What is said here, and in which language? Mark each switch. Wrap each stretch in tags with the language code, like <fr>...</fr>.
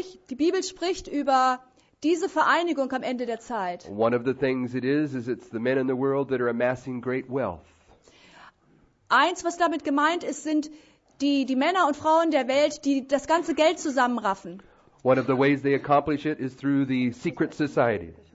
<de>Die Bibel spricht über diese Vereinigung am Ende der Zeit.</de> <en>One of the things it is it's the men in the world that are amassing great wealth.</en> <de>Eins, was damit gemeint ist, sind die Männer und Frauen der Welt, die das ganze Geld zusammenraffen.</de> <en>One of the ways they accomplish it is through the secret society.</en>